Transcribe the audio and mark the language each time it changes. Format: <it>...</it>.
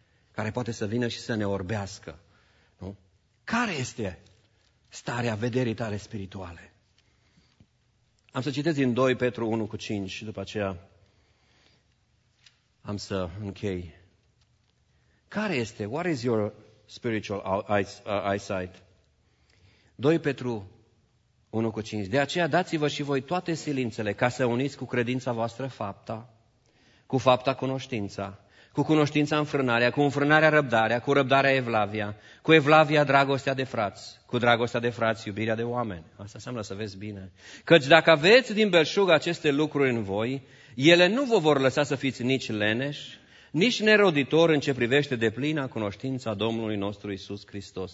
<ro>Care poate să vină și să ne orbească, nu? Care este starea vederii tale spirituale? Am să citesc din 2 Petru 1 cu 5 și după aceea am să închei. Care este?</ro> <en>What is your spiritual eyesight? 2 Petru</en> <ro>1 cu 5. De aceea dați-vă și voi toate silințele ca să uniți cu credința voastră fapta, cu fapta cunoștința, cu cunoștința înfrânarea, cu înfrânarea răbdarea, cu răbdarea evlavia, cu evlavia dragostea de frați, cu dragostea de frați iubirea de oameni. Asta înseamnă să vezi bine. Căci dacă aveți din belșug aceste lucruri în voi, ele nu vă vor lăsa să fiți nici leneși, nici neroditori în ce privește deplina cunoștința Domnului nostru Iisus Hristos.</ro>